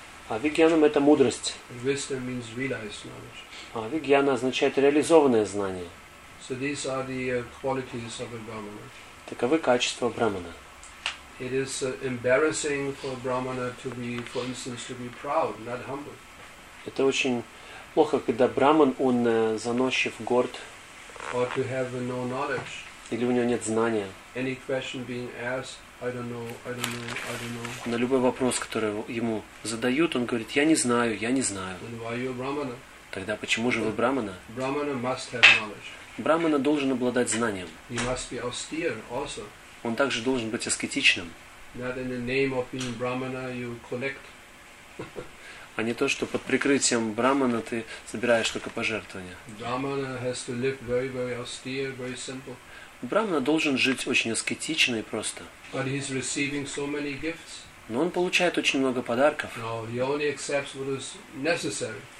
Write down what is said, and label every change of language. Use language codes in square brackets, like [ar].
[ru] А вигьянам это мудрость. [en] And wisdom means realized knowledge. [ru] А вигьяна означает реализованное знание. [en] So these are the qualities of a brahmana. [ru] Таковы качества брахмана. [en] It is embarrassing for a brahmana to be, for instance, to be proud, not humble. [ru] Это очень плохо, когда брахман он заносчив, горд. [en] Or to have no knowledge. [ru] Или у него нет знания. [en] Any question being asked, I don't know, I don't know, I don't know. [ru] На любой вопрос, который ему задают, он говорит: я не знаю, я не знаю. [en] Then why are you a brahmana? [ru] Тогда почему же вы брахмана? [en] Brahmana must have knowledge. [ru] Брахмана должен обладать знанием. [en] He must be austere also. [ru] Он также должен быть аскетичным. [en] Not in the name of being brahmana you collect. [ru] А не то, что под прикрытием брахмана ты собираешь только пожертвования. [en] Brahmana has to live very, very austere, very simple. [ru] Брахмана должен жить очень аскетично и просто. [en] But he's receiving so many gifts. [ru] Но он получает очень много подарков. [en] No, he only accepts what is necessary.